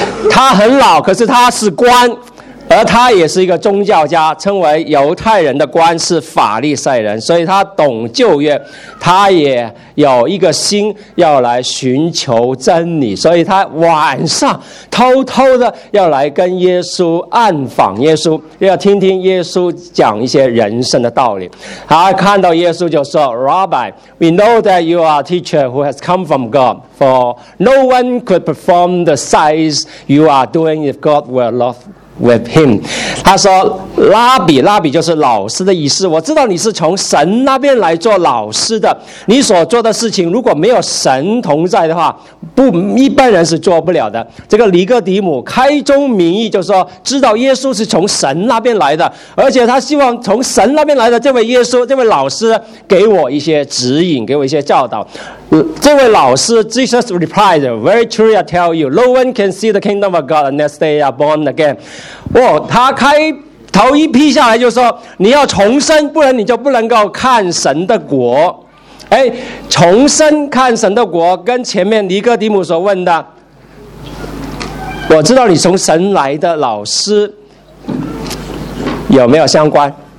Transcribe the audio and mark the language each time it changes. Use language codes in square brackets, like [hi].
[zh] 他很老，可是他是官，而他也是一个宗教家，称为犹太人的官，是法利赛人，所以他懂旧约，他也有一个心要来寻求真理，所以他晚上偷偷的要来跟耶稣暗访耶稣，要听听耶稣讲一些人生的道理。他看到耶稣就说 [en] Rabbi, we know that you are a teacher who has come from God, for no one could perform the signs you are doing if God were not with him. [zh] 他说拉比，拉比就是老师的意思，我知道你是从神那边来做老师的，你所做的事情如果没有神同在的话，不，一般人是做不了的。这个尼哥底母开宗明义就说知道耶稣是从神那边来的，而且他希望从神那边来的这位耶稣，这位老师给我一些指引，给我一些教导。这位老师 [en] Jesus replied, Very truly I tell you, no one can see the kingdom of God unless they are born again. [zh] 哇，他开头一批下来就说你要重生，不然你就不能够看神的国。哎，重生看神的国跟前面尼哥底母所问的，我知道你从神来的老师，有没有相关？